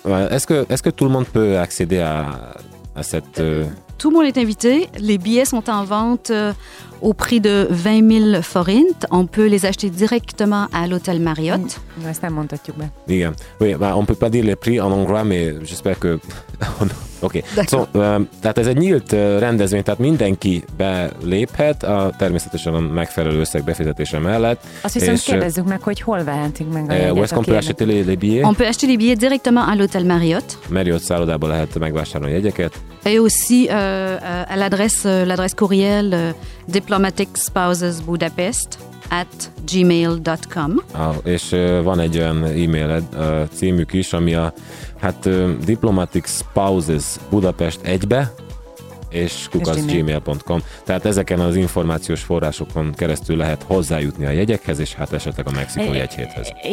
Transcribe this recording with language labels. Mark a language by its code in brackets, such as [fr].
[fr] Est-ce que tout le monde peut accéder à cette... Tout le monde est invité. Les billets sont en vente au prix de 20 000 forints. On peut les acheter directement à l'hôtel Marriott. Ça ne montre-t-il pas. Oui, oui bah, on ne peut pas dire les prix en anglais, mais j'espère que... [hu] Oké, okay. Szóval, tehát ez egy nyílt rendezvény, tehát mindenki beléphet, a természetesen a megfelelő összeg befizetése mellett. Azt hiszem, kérdezzük meg, hogy hol vehetünk meg a jegyet. [fr] Où est-ce qu'on peut acheter les billets? On peut acheter les billets directement à l'hôtel Marriott. [hu] Marriott szállodában lehet megvásárolni a jegyeket. [fr] Et aussi à l'adresse courriel diplomaticspousesbudapest@gmail.com. [hu] És van egy olyan e-mail címük is, ami a hát Diplomatic Spouses Budapest 1-be és kukac@gmail.com. Tehát ezeken az információs forrásokon keresztül lehet hozzájutni a jegyekhez, és hát esetleg a mexikói egyhéthez.